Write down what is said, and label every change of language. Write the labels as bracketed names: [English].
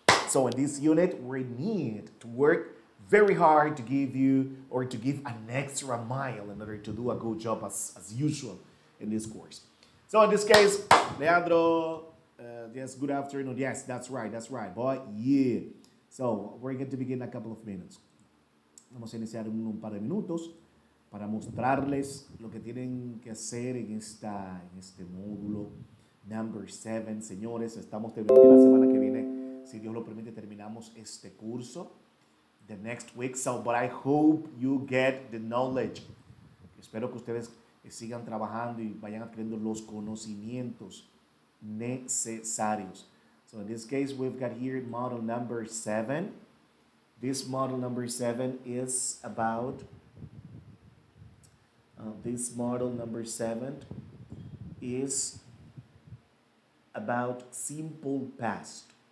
[English] So in this unit, we need to work very hard to give you or to give an extra mile in order to do a good job as usual in this course. So in this case, Leandro, yes, good afternoon. Yes, that's right, boy, yeah. So we're going to begin a couple of minutes. [Spanish] Vamos a iniciar en un par de minutos para mostrarles lo que tienen que hacer en este módulo number 7. Señores, estamos terminando la semana que viene. Si Dios lo permite, terminamos este curso. [English] The next week, so but I hope you get the knowledge. [Spanish] Espero que ustedes sigan trabajando y vayan adquiriendo los conocimientos necesarios. [English] So in this case, we've got here model number 7. This model number 7 is about this model number 7 is about simple past.